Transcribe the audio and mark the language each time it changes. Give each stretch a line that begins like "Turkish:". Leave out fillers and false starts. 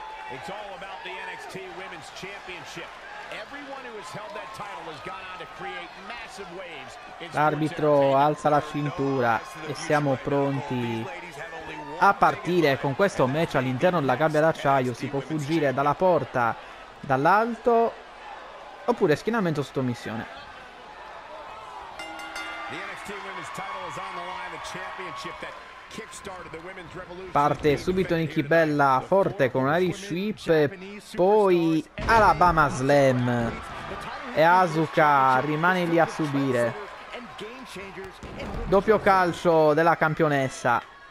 English: It's all about the NXT Women's Championship. Everyone who has held that title has gone on to create massive waves.
Italian: L'arbitro alza la cintura e siamo pronti a partire con questo match all'interno della gabbia d'acciaio. Si può fuggire dalla porta, dall'alto, oppure schienamento sotto missione.
English: The NXT Women's title is on the line, the championship that kickstarted the women's revolution.
Italian: Parte subito Nikki Bella forte con una Irish Whip, poi Alabama Slam, e Asuka rimane lì a subire. Doppio calcio della campionessa.